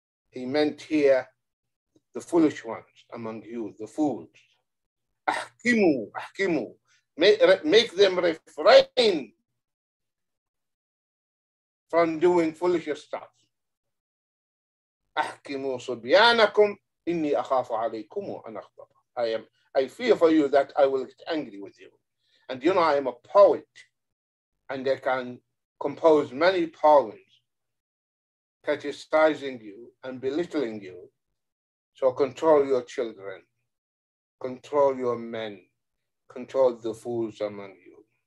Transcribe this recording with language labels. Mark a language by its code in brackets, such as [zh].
[en] He meant here the foolish ones among you, the fools. [ar] أحكموا, أحكموا. [en] Make them refrain from doing foolish stuff. [ar] أحكموا صبيانكم إني أخاف عليكم أن أخطأ. [en] I fear for you that I will get angry with you. And you know, I am a poet and I can compose many poems criticizing you and belittling you. So control your children. Control your men, control the fools among you.